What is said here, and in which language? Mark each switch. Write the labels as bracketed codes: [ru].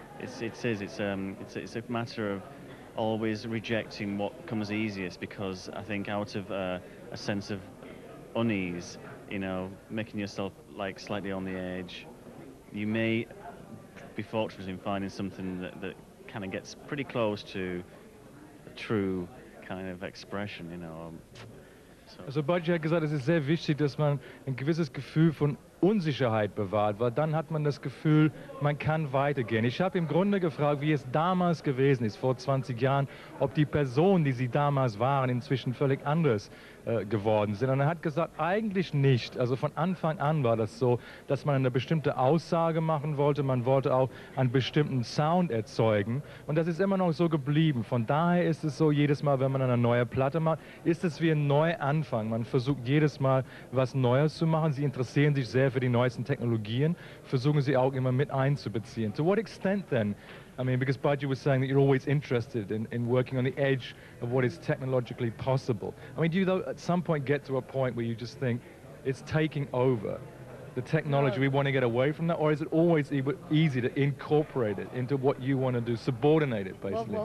[en] It's a matter of always rejecting what comes easiest, because I think out of a sense of unease, you know, making yourself like slightly on the edge, you may be fortunate in finding something that kind of gets pretty close to a true kind of expression, you know. [de] Also Budgie hat gesagt, es ist sehr wichtig, dass man ein gewisses Gefühl von Unsicherheit bewahrt, weil dann hat man das Gefühl, man kann weitergehen. Ich habe im Grunde gefragt, wie es damals gewesen ist, vor 20 Jahren, ob die Personen, die sie damals waren, inzwischen völlig anders geworden sind. Und er hat gesagt, eigentlich nicht. Also von Anfang an war das so, dass man eine bestimmte Aussage machen wollte. Man wollte auch einen bestimmten Sound erzeugen. Und das ist immer noch so geblieben. Von daher ist es so, jedes Mal, wenn man eine neue Platte macht, ist es wie ein Neuanfang. Man versucht jedes Mal, was Neues zu machen. Sie interessieren sich sehr für die neuesten Technologien, versuchen sie auch immer mit einzubeziehen. [en] To what extent then? I mean, because Budgie was saying that you're always interested in working on the edge of what is technologically possible. I mean, do you though at some point get to a point where you just think it's taking over the technology, we want to get away from that, or is it always easy to incorporate it into what you want to do, subordinate it, basically?